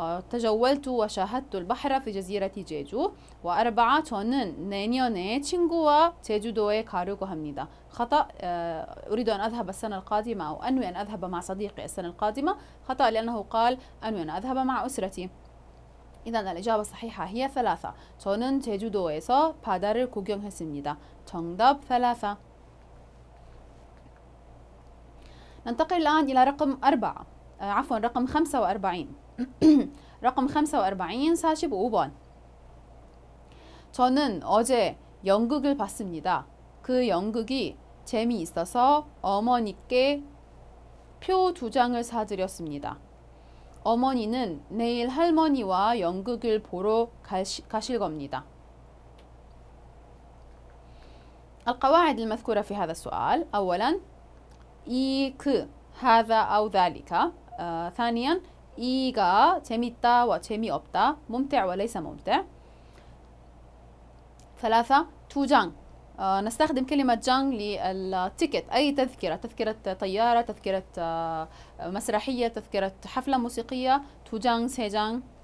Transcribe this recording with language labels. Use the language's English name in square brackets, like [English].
[Arabic] تجولت وشاهدت البحر في جزيرة جيجو. 4. [Korean] 저는 내년에 친구와 제주도에 가려고 합니다. [Arabic] خطأ. أريد أن أذهب السنة القادمة أو أنوي أن أذهب مع صديقي السنة القادمة. خطأ لأنه قال أنوي أن أذهب مع أسرتي. إذن الإجابة الصحيحة هي 3. [Korean] 저는 제주도에서 바다를 구경했습니다. 정답 3. [Arabic] ننتقل الآن إلى رقم 4. عفوا رقم 45. رقم 45 45번. [Korean] 저는 어제 연극을 봤습니다. 그 연극이 재미있어서 어머니께 표 두 장을 사드렸습니다. 어머니는 내일 할머니와 연극을 보러 가실 겁니다. [Arabic] القواعد المذكورة في هذا السؤال. أولاً 이 그 هذا أو ذلك. 2. [Korean] 이가 재밌다 와 재미없다. [Arabic] ممتع وليس ممتع. [Korean] 3. 두 장. [Arabic] نستخدم كلمة جانغ للتيكت، أي تذكرة، تذكرة طيارة، تذكرة مسرحية، تذكرة حفلة موسيقية. تو جانغ، سي جانغ.